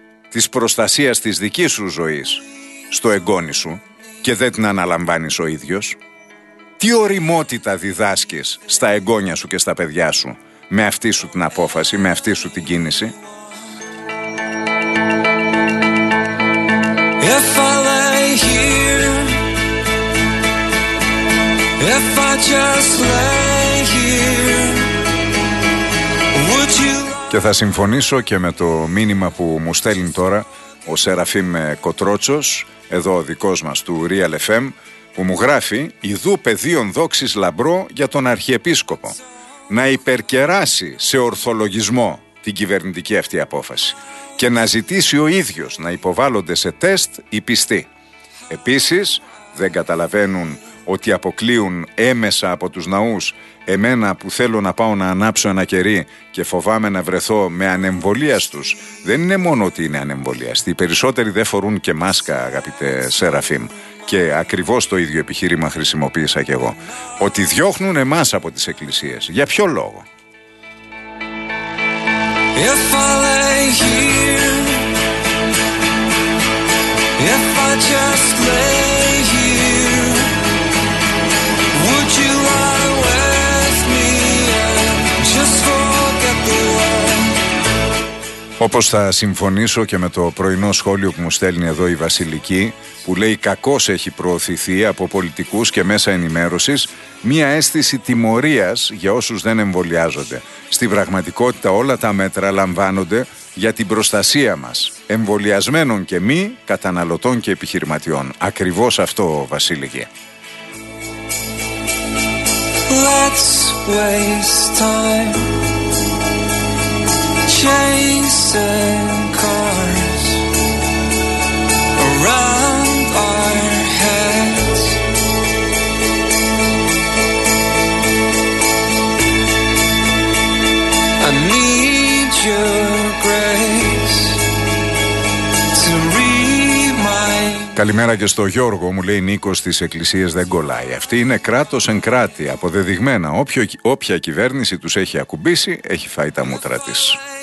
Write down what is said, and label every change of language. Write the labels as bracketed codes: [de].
[el] της προστασίας της δικής σου ζωής στο εγγόνι σου και δεν την αναλαμβάνεις ο ίδιος? Τι ωριμότητα διδάσκεις στα εγγόνια σου και στα παιδιά σου με αυτή σου την απόφαση, με αυτή σου την κίνηση? [en] If I lay here, if I just lay here, would you... [el] Και θα συμφωνήσω και με το μήνυμα που μου στέλνει τώρα ο Σεραφείμ Κοτρότσος, εδώ ο δικός μας του Real FM, που μου γράφει: «Ιδού πεδίον δόξης λαμπρό για τον Αρχιεπίσκοπο να υπερκεράσει σε ορθολογισμό την κυβερνητική αυτή απόφαση και να ζητήσει ο ίδιος να υποβάλλονται σε τεστ οι πιστοί. Επίσης, δεν καταλαβαίνουν ότι αποκλείουν έμεσα από τους ναούς εμένα που θέλω να πάω να ανάψω ένα κερί και φοβάμαι να βρεθώ με ανεμβολίαστους? Δεν είναι μόνο ότι είναι ανεμβολίαστοι, οι περισσότεροι δεν φορούν και μάσκα, αγαπητέ Σεραφείμ. Και ακριβώς το ίδιο επιχείρημα χρησιμοποίησα και εγώ. Ότι διώχνουν εμάς από τις εκκλησίες. Για ποιο λόγο? [en] If I lay here, if I just lay here, would you lie with me and just forget the world? [el] Όπως θα συμφωνήσω και με το πρωινό σχόλιο που μου στέλνει εδώ η Βασιλική, που λέει: «Κακώς έχει προωθηθεί από πολιτικούς και μέσα ενημέρωσης μία αίσθηση τιμωρίας για όσους δεν εμβολιάζονται. Στην πραγματικότητα όλα τα μέτρα λαμβάνονται για την προστασία μας, εμβολιασμένων και μη καταναλωτών και επιχειρηματιών». Ακριβώς αυτό, Βασίλικη. [en] Let's waste time chasing cars around our heads. I need your grace to remind. [el] Καλημέρα και στο Γιώργο, μου λέει Νίκος, στις εκκλησίες δεν κολλάει. Αυτή είναι κράτος εν κράτη, αποδεδειγμένα. Όποια κυβέρνηση τους έχει ακουμπήσει, έχει φάει τα μούτρα της.